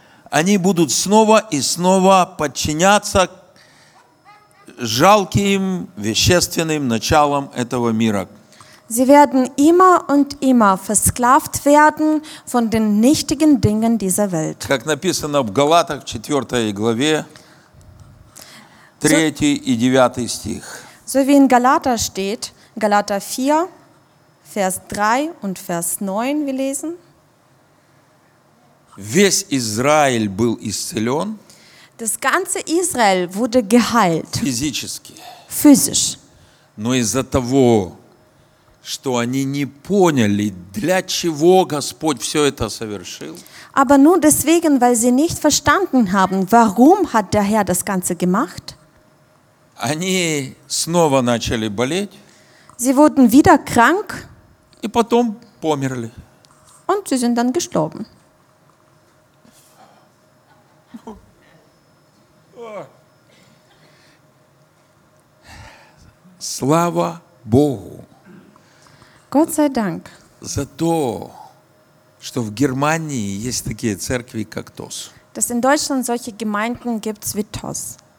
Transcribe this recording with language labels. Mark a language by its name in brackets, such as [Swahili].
[Russian] Они будут снова и снова подчиняться жалким вещественным началом этого мира. [German] Sie werden immer und immer versklavt werden von den nichtigen Dingen dieser Welt. [Russian] Как написано в Галатах 4 главе 3 и 9 стих. [German] So wie in Galater steht, Galater 4, Vers 3 und Vers 9 wir lesen. [Russian] Весь Израиль был исцелен. [German] Das ganze Israel wurde geheilt. [Russian] Физически. [German] Physisch. [Russian] Но из-за того, что они не поняли, для чего Господь все это совершил. [German] Aber nur deswegen, weil sie nicht verstanden haben, warum hat der Herr das Ganze gemacht? [Russian] Они снова начали болеть. [German] Sie wurden wieder krank. [Russian] И потом померли. [German] Und sie sind dann gestorben. [Russian] Слава Богу. [German] Gott sei Dank. [Russian] За то, что в Германии есть такие церкви, как ТОС. [German] Dass in Deutschland solche Gemeinden gibt's wie ТОС.